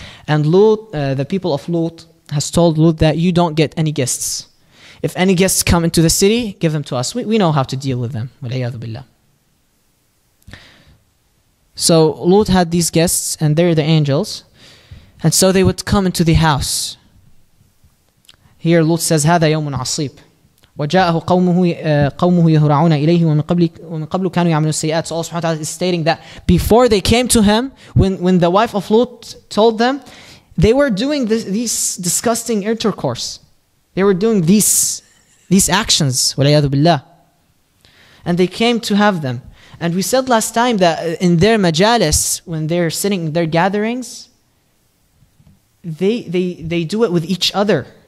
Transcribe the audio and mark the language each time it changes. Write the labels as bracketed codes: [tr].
[en] And the people of Lut has told Lut that you don't get any guests. If any guests come into the city, give them to us. We know how to deal with them. [ar] وَلَيَّذُ بِاللَّهِ. [en] So Lut had these guests, and they're the angels. And so they would come into the house. Here Lut says, [ar] هَذَا يَوْمٌ عَصِيبٌ وجاءه قومه يهرعون إليه ومن قبل كانوا يعملون السيئات. [en] So Allah subhanahu wa ta'ala is stating that before they came to him, when the wife of Lut told them, they were doing these disgusting intercourse. They were doing these actions. [ar] وَلَيَّذُ بِاللَّهِ. [en] And they came to have them. And we said last time that in their majalis, when they're sitting in their gatherings, they do it with each other.